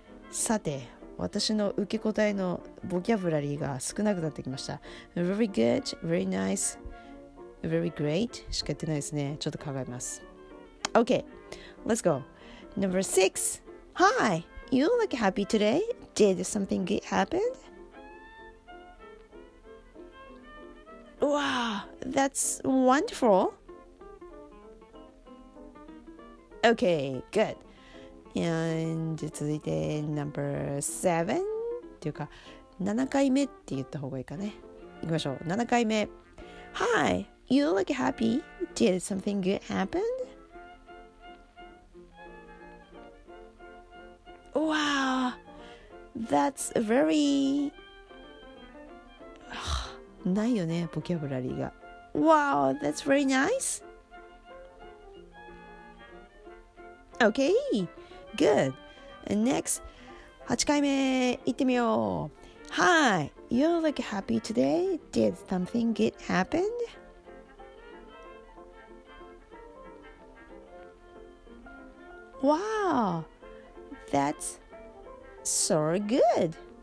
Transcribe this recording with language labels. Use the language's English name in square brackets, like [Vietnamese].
[Japanese] さて、私の受け答えのボキャブラリーが少なくなってきました。 [English] Very good, very nice, very great [Japanese] しか言ってないですね。ちょっと考えます。 [English] OK, let's go. Number 6. Hi, you look happy today. Did something good happen? Wow, that's wonderful. OK, goodAnd [Japanese] 続いて number 7っていうか7回目って言った方がいいかね。行きましょう。7回目。 [English] Hi, you look happy. Did something good happen? Wow, that's very... [Japanese] ないよね、ボキャブラリーが。 [English] Wow, that's very nice. Okay. Good. And next, [Japanese] 8回目、行ってみよう。 [English] Hi, you look happy today. Did something good happen? Wow, that's so good.